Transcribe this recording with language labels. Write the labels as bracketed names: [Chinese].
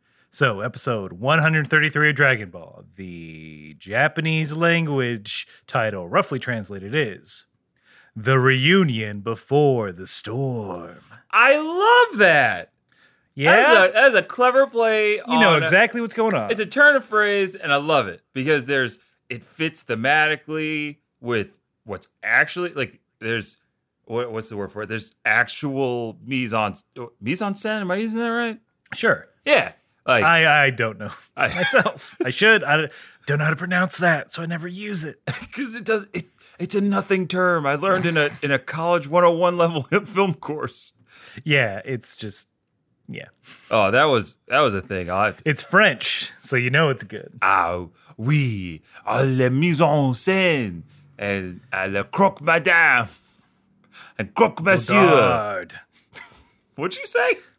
[English] So episode 133 of Dragon Ball, the Japanese language title, roughly translated, is The Reunion Before the Storm. I love that. Yeah. That is a clever play. You know exactly what's going on. It's a turn of phrase, and I love it because it fits thematically with what's actually, like, what's the word for it? There's actual mise en scène. Am I using that right? Sure. Yeah. Like, I don't know myself. I should. I don't know how to pronounce that, so I never use it. Because it's a nothing term. I learned in a college 101 level film course. Yeah, it's just, yeah. Oh, that was a thing. It's French, so you know it's good. [French] Ah, oui, à la mise en scène, et à la croque madame, et croque monsieur. [English] What'd you say?